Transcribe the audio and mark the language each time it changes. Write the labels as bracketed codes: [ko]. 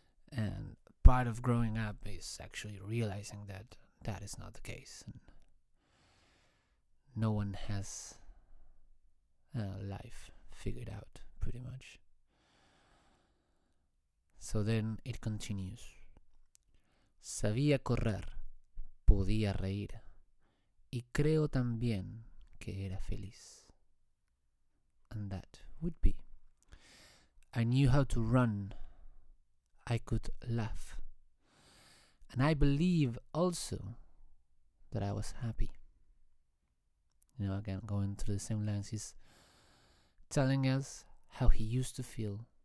[en] And part of growing up is actually realizing that that is not the case. And no one has life figured out, pretty much. So then it continues. [es] Sabía correr, podía reír, y creo también que era feliz. [en] And that would be, I knew how to run, I could laugh, and I believe also that I was happy. You know, again, going through the same lines, he's telling us how he used to feel.